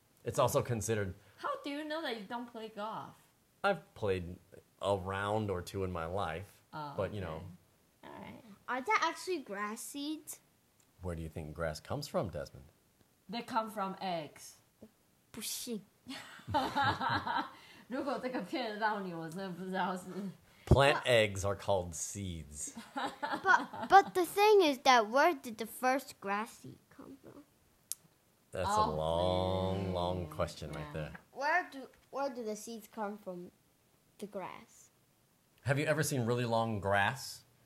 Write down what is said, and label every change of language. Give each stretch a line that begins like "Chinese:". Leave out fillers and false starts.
English: It's also considered... How do you know that you don't play golf? I've played a round or two in my life, but you know. All right. Are that actually grass seeds? Where do you think grass comes from, Desmond? They come from eggs.
Chinese: 不信. 如果这个骗得到你，我真的不知道是。
English: Plant eggs are called seeds. But the thing is that where did the first grass seed come from? That's a long, long question right there. Where do the seeds come from? The grass. Have you ever seen really long grass?